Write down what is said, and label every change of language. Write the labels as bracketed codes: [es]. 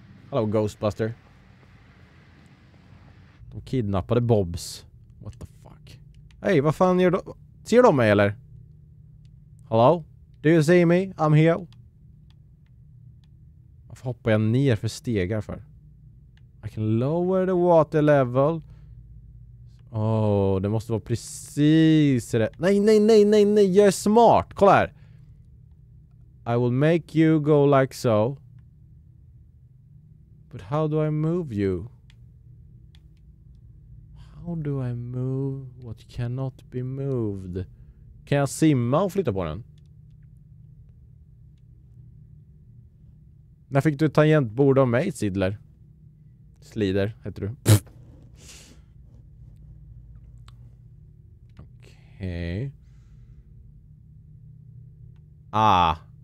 [sv] Hallå, Ghostbuster. De kidnappade Bobs. [en] What the fuck? [sv] Hej, vad fan gör de? Ser de mig eller? [en] Hello? Do you see me? I'm here. [sv] Varför hoppar jag ner för stegar för? [en] I can lower the water level. [sv] Oh, det måste vara precis det. Nej. Jag är smart. Kolla här. [en] I will make you go like so. But how do I move you? How do I move what cannot be moved? [sv] Kan jag simma och flytta på den? När fick du tangentbord av mig, Sidler? Slider, heter du. Okej. Okay. Ah.